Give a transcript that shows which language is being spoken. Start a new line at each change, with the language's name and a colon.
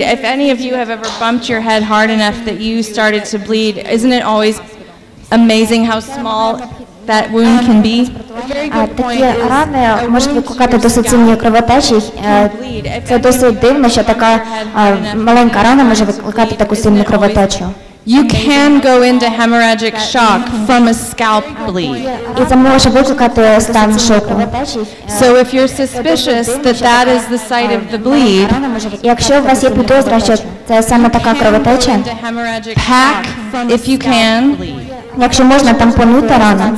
English: If any of you have ever bumped your head hard enough that you started to bleed, isn't it always amazing how small that wound can be?
Ukrainian: Такі рани можуть викликати досить сильні кровотечі. Це досить дивно, що така маленька рана може викликати таку сильну кровотечу.
English: You can go into hemorrhagic shock from a scalp bleed.
Ukrainian: Це може викликати стан шоку.
English: So if you're suspicious that that is the site of the bleed,
Ukrainian: якщо у вас є підозра, що це саме така кровотеча,
English: pack if you can.
Ukrainian: Якщо можна, там помити рану.